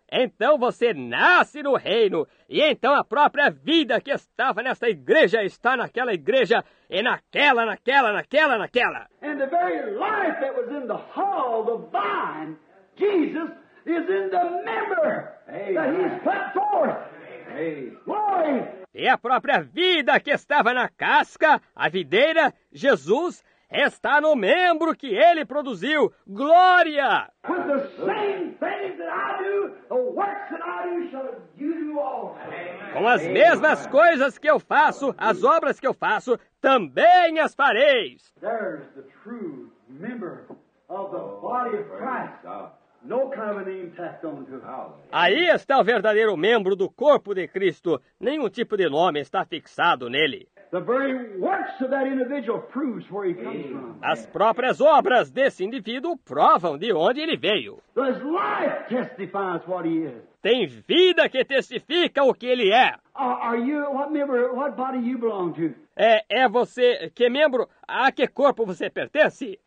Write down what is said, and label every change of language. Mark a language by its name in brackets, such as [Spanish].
[Portuguese] Então você nasce no reino, e então a própria vida que estava nesta igreja está naquela igreja, e naquela, naquela, naquela, naquela. [English] And the very life that was in the hall, the vine, Jesus, is in the member that he's put forth. Glory! [Portuguese] E a própria vida que estava na casca, a videira, Jesus, está no membro que ele produziu. Glória! [English] With the same things that I do, the works that I do, shall you do all. [Portuguese] Com as mesmas coisas que eu faço, as obras que eu faço, também as fareis. [English] There's the true member of the body of Christ. No kind of a name tacked on to it. [Portuguese] Aí está o verdadeiro membro do corpo de Cristo. Nenhum tipo de nome está fixado nele. [English] The very works of that individual proves where he comes from. [Portuguese] As próprias obras desse indivíduo provam de onde ele veio. [English] His life testifies what he is. [Portuguese] Tem vida que testifica o que ele é. [English] Are you, what member, what body you belong to? [Portuguese] É você, que membro, a que corpo você pertence?